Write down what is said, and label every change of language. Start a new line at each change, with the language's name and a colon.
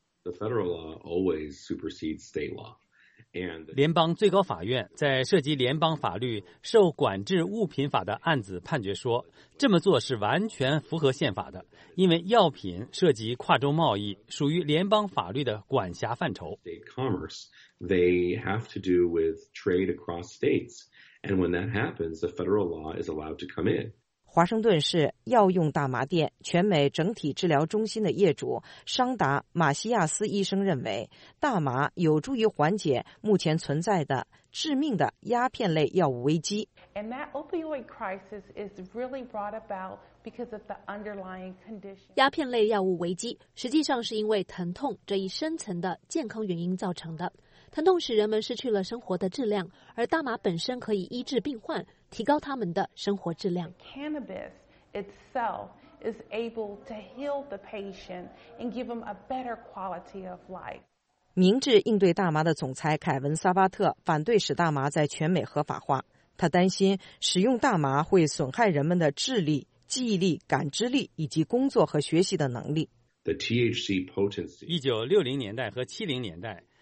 English: The federal law always supersedes state law.
Chinese: 联邦最高法院在涉及联邦法律受管制物品法的案子判决说，这么做是完全符合宪法的，因为药品涉及跨州贸易，属于联邦法律的管辖范畴。
English: They have to do with trade across states, and when that happens, the federal law is allowed to come in.
Chinese: 华盛顿市药用大麻店全美整体治疗中心的业主商达·马西亚斯医生认为，大麻有助于缓解目前存在的致命的鸦片类药物危机。
English: And that opioid crisis is really brought about because of the underlying condition.
Chinese: 鸦片类药物危机实际上是因为疼痛这一深层的健康原因造成的。疼痛使人们失去了生活的质量，而大麻本身可以医治病患，提高他们的生活质量。
English: Cannabis itself is able to heal the patient and give them a better quality of life.
Chinese: 明智应对大麻的总裁凯文·萨巴特反对使大麻在全美合法化，他担心使用大麻会损害人们的智力、记忆力、感知力以及工作和学习的能力。
English: The THC potency.
Chinese: 1960年代和70年代。